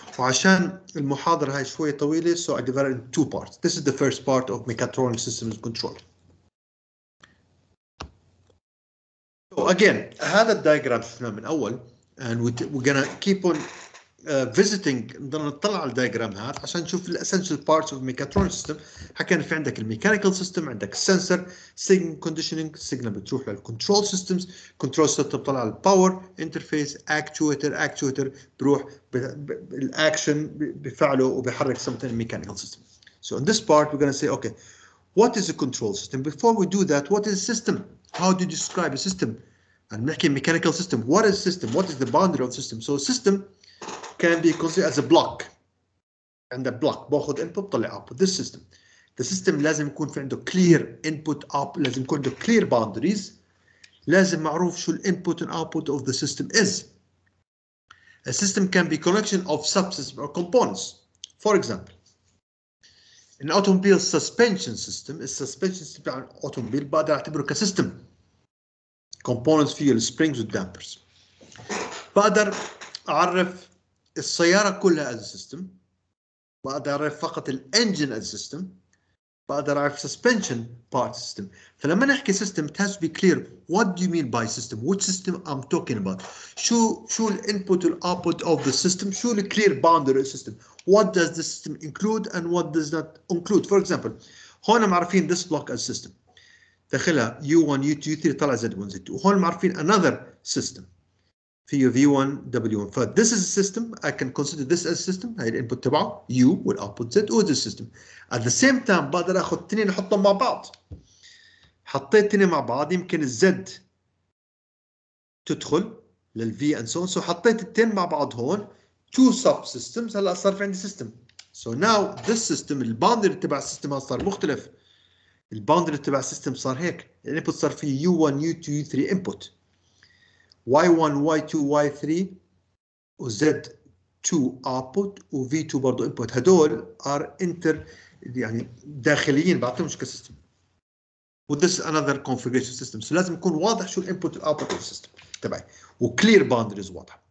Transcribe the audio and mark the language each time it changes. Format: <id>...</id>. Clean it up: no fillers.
<ar>وعشان المحاضرة هاي شوية طويلة,</ar> <en>so I divide it in two parts. This is the first part of mechatronic systems control. So again,</en> <ar>هذا الدايجرام شفناه من أول,</ar> <en>and we're gonna keep on visiting.</en> <ar>بدنا نطلع على الدايجرام هذا عشان نشوف</ar> <en>the essential parts of mechatronic system.</en> <ar>حكينا في عندك الميكانيكال سيستم, عندك السنسر, signal conditioning, signal بتروح للكنترول سيستمز, control system بطلع على الباور انترفيس, actuator بروح بالاكشن بفعله وبحرك</ar> <en>something in mechanical system. So in this part we're gonna say okay, what is a control system? Before we do that, what is a system? How do you describe a system? And making a mechanical system. What is system? What is the boundary of system? So a system can be considered as a block. And a block, باخذ input, طلع output. This system. The system</en> <ar>لازم يكون في عنده</ar> <en>clear input, output,</en> <ar>لازم يكون عنده</ar> <en>clear boundaries.</en> <ar>لازم معروف شو</ar> <en>input and output of the system is. A system can be collection of subsystems or components. For example, an automobile suspension system is suspension system on automobile, but they consider it a system. Components, fuel, springs, and dampers.</en> <ar>بقدر أعرف السيارة كلها</ar> <en>as a system.</en> <ar>بقدر أعرف فقط ال engine</ar> <en>as a system.</en> <ar>بقدر أعرف suspension part system. فلما نحكي</ar> <en>system, it has to be clear. What do you mean by system? Which system I'm talking about? شو ال input and output of the system? شو ال clear boundary of the system? What does the system include and what does not include? For example,</en> <ar>هون معرفين</ar> <en>this block as system. دخلها U1, U2, U3, طلع Z1, Z2.</en> <ar>وهون معرفين</ar> <en>another system. في V1, W1. This is a system. I can consider this as a system.</en> <ar>هاي الانبوت تبعه U والاوتبوت Z هو</ar> <en>this system. At the same time,</en> <ar>بقدر اخذ اثنين احطهم مع بعض. حطيت اثنين مع بعض يمكن الـ Z تدخل للـ V</ar> <en>and so on.</en> <ar>So حطيت الاثنين مع بعض هون.</ar> <en>Two subsystems,</en> <ar>هلا صار في عندي system.</ar> <en>So now this system, the boundary تبع system</en> <ar>صار مختلف.</ar> <en>The boundary تبع system</en> <ar>صار هيك.</ar> <en>Input صار فيه U1, U2, U3 input. Y1, Y2, Y3, وZ2 output, وV2 برضو input.</en> <ar>هدول</ar> <en>are inter,</en> <ar>يعني داخليين بعطيهم شو كسيستم.</ar> <en>Well, this is another configuration system. So لازم يكون واضح شو input and output of the system تبعي. وclear boundaries واضح.</en>